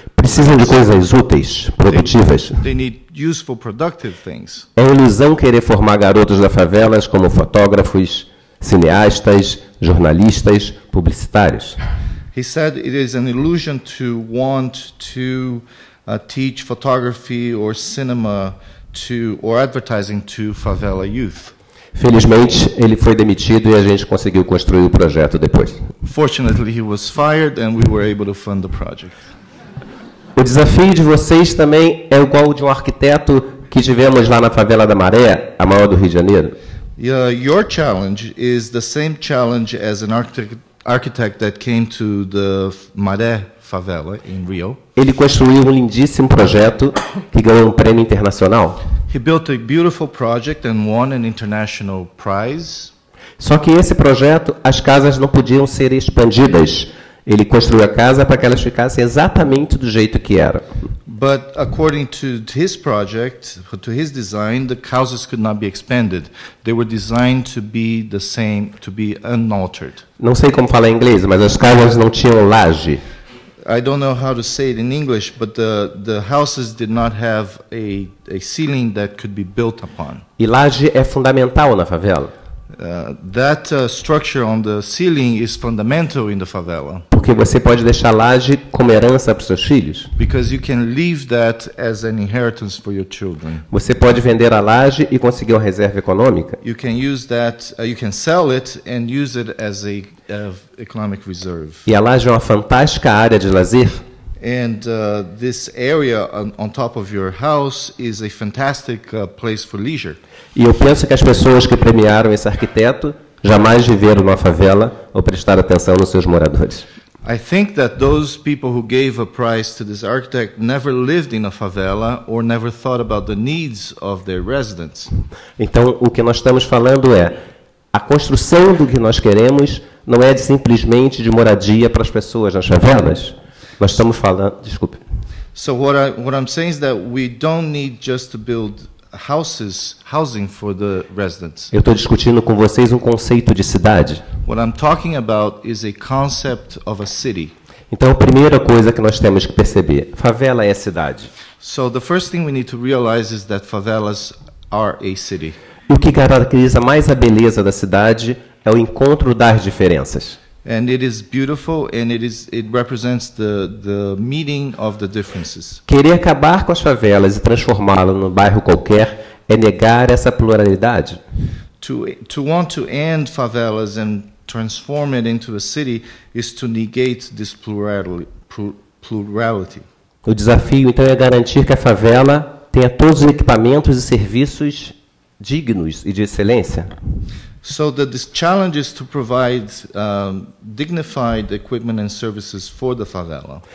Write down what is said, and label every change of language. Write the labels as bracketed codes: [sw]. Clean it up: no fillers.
[pt] Precisam de coisas úteis, produtivas. [en] They need useful, productive things. [pt] É uma ilusão querer formar garotos da favelas como fotógrafos, cineastas, jornalistas, publicitários. [en] He said it is an illusion to want to teach photography or cinema or advertising to favela youth. [pt] Felizmente, ele foi demitido e a gente conseguiu construir o projeto depois. [en] Fortunately, he was fired and we were able to fund the project. [pt] O desafio de vocês também é igual de um arquiteto que tivemos lá na favela da Maré, a maior do Rio de Janeiro. [en] Your challenge is the same challenge as an architect that came to the Maré favela in Rio. [pt] Ele construiu um lindíssimo projeto que ganhou um prêmio internacional. [en] He built a beautiful project and won an international prize. [pt] Só que esse projeto, as casas não podiam ser expandidas. Ele construiu a casa para que elas ficassem exatamente do jeito que era. [en] But according to his project, to his design, the houses could not be expanded. They were designed to be the same, to be unaltered. [pt] Não sei como falar em inglês, mas as casas não tinham laje. [en] I don't know how to say it in English, but the houses did not have a ceiling that could be built upon. [pt] E laje é fundamental na favela. [en] That structure on the ceiling is fundamental in the favela. [pt] Porque você pode deixar laje como herança para seus filhos. [en] Because you can leave that as an inheritance for your children. [pt] Você pode vender a laje e conseguir uma reserva econômica. [en] You can use that, you can sell it and use it as a economic reserve. [pt] E a laje é uma fantástica área de lazer. [en] And this area on top of your house is a fantastic place for leisure. [pt] E eu penso que as pessoas que premiaram esse arquiteto jamais viveram numa favela ou prestaram atenção nos seus moradores. [en] I think that those people who gave a prize to this architect never lived in a favela or never thought about the needs of their residents. [pt] Então, o que nós estamos falando é a construção do que nós queremos não é simplesmente de moradia para as pessoas nas favelas. Nós estamos falando, desculpe. [en] So what I'm saying is that we don't need just to build houses, housing for the residents. [pt] Eu estou discutindo com vocês um conceito de cidade. [en] What I'm talking about is a concept of a city. [pt] Então, a primeira coisa que nós temos que perceber, favela é cidade. [en] So the first thing we need to realize is that favelas are a city. [pt] O que caracteriza mais a beleza da cidade é o encontro das diferenças. [en] And it is beautiful, and it represents the meaning of the differences. [pt] Querer acabar com as favelas e transformá-las num bairro qualquer é negar essa pluralidade. [en] To want to end favelas and transform it into a city is to negate this plurality. [pt] O desafio então é garantir que a favela tenha todos os equipamentos e serviços dignos e de excelência. [en] So the challenge is to provide dignified equipment and services for the favela.